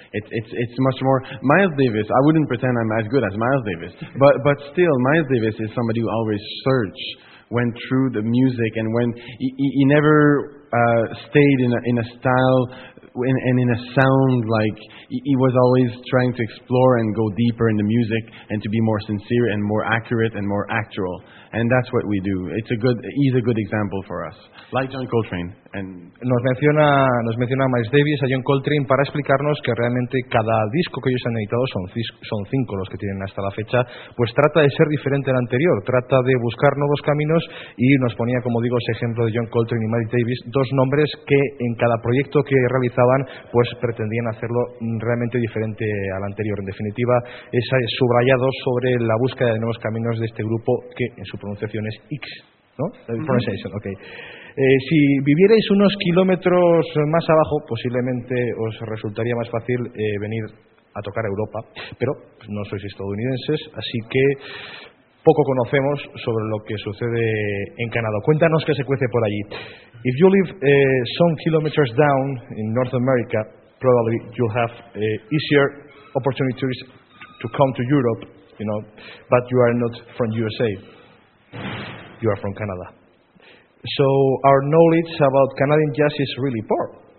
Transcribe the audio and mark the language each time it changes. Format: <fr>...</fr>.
<en>It's much more... Miles Davis, I wouldn't pretend I'm as good as Miles Davis, but still, Miles Davis is somebody who always searched, went through the music, and when he never stayed in a style in a sound like he was always trying to explore and go deeper in the music and to be more sincere and more accurate and more actual. And that's what we do. He's a good example for us. Like John Coltrane. And</en> <es>nos menciona Miles Davis a John Coltrane para explicarnos que realmente cada disco que ellos han editado, son cinco los que tienen hasta la fecha, pues trata de ser diferente al anterior, trata de buscar nuevos caminos, y nos ponía, como digo, ese ejemplo de John Coltrane y Miles Davis, dos nombres que en cada proyecto que realizaban pues pretendían hacerlo realmente diferente al anterior. En definitiva, es subrayado sobre la búsqueda de nuevos caminos de este grupo, que en su pronunciación es X, ¿no?</es> <en>Pronunciation, okay.</en> <es>Si vivierais unos kilómetros más abajo, posiblemente os resultaría más fácil venir a tocar a Europa, pero no sois estadounidenses, así que poco conocemos sobre lo que sucede en Canadá. Cuéntanos qué se cuece por allí.</es> <en>If you live some kilometers down in North America, probably you'll have easier opportunities to come to Europe, you know, but you are not from USA. You are from Canada. So our knowledge about Canadian jazz is really poor.</en>